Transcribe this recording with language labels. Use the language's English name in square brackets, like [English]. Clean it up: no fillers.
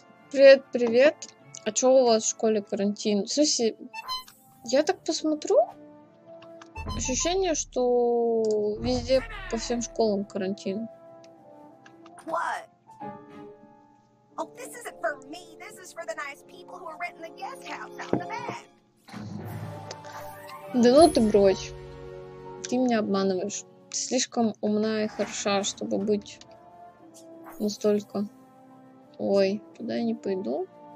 [Russian] Привет, привет. А чё у вас в школе карантин? Слушай, я так посмотрю. Ощущение, что везде по всем школам карантин. [English] Oh, this isn't for me. This is for the nice people who are renting the guest house out in the back. [Russian] Да ну ты брось. Ты меня обманываешь. Ты слишком умна и хороша, чтобы быть настолько. Ой, туда я не пойду.